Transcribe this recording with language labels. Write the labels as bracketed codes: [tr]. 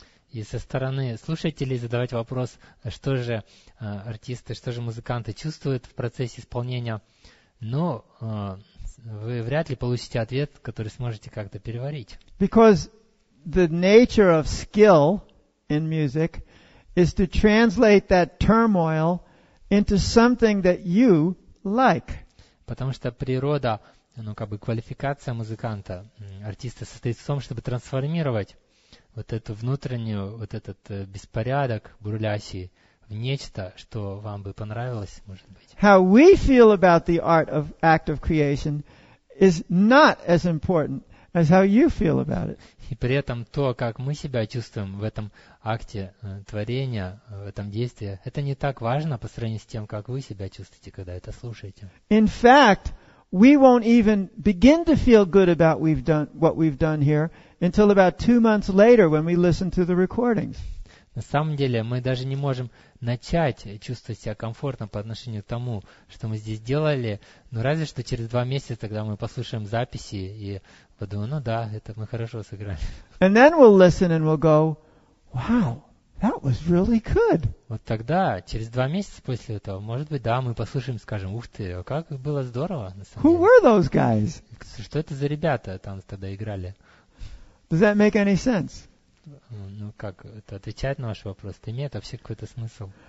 [ru] И со стороны слушателей задавать вопрос, что же артисты, что же музыканты чувствуют в процессе исполнения, но вы вряд ли получите ответ, который сможете как-то переварить. [en] Because the nature of skill in music is to translate that turmoil into something that you like. [ru] Потому что природа, ну как бы квалификация музыканта, артиста состоит в том, чтобы трансформировать вот эту внутреннюю, вот этот беспорядок бурлящий в нечто, что вам бы понравилось, может быть. [en] How we feel about the art of act of creation is not as important as how you feel about it. [ru] И при этом то, как мы себя чувствуем в этом акте творения, в этом действии, это не так важно по сравнению с тем, как вы себя чувствуете, когда это слушаете. [en] In fact, we won't even begin to feel good about what we've done here until about 2 months later when we listen to the recordings. [ru] На самом деле, мы даже не можем начать чувствовать себя комфортно по отношению к тому, что мы здесь делали, но разве что через 2 месяца, когда мы послушаем записи и подумаем, ну да, это мы хорошо сыграли. [en] And then we'll listen and we'll go, wow, that was really good. [ru] Вот тогда, через 2 месяца после этого, может быть, да, мы послушаем и скажем, ух ты, как было здорово. [en] Who were those guys? [ru] Что это за ребята там тогда играли? [en] Does that make any sense? [ru] Ну как, это отвечает на ваш вопрос? Это имеет вообще какой-то смысл?